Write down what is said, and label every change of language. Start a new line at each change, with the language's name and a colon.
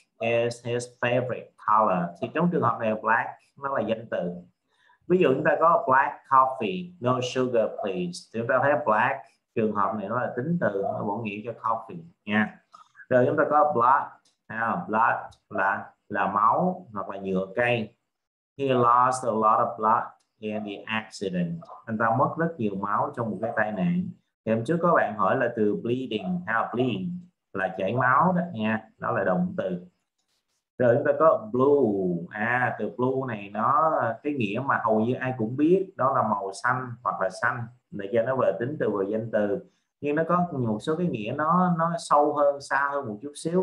English: is his favorite color.
Vietnamese: Thì trong trường hợp này black nó là danh từ. Ví dụ chúng ta có
English: black coffee, no sugar please.
Vietnamese: Chúng ta thấy black trường hợp này nó là tính từ, nó bổ nghĩa cho coffee nha. Rồi chúng ta có blood, blood là máu hoặc là nhựa cây.
English: He lost a lot of blood in the accident.
Vietnamese: Anh ta mất rất nhiều máu trong một cái tai nạn. Thì hôm trước có bạn hỏi là từ bleeding, how bleed là chảy máu đó nha, đó là động từ. Rồi chúng ta có blue, từ blue này nó cái nghĩa mà hầu như ai cũng biết, đó là màu xanh hoặc là xanh, để cho nó vừa tính từ vừa danh từ, nhưng nó có một số cái nghĩa nó sâu hơn, xa hơn một chút xíu.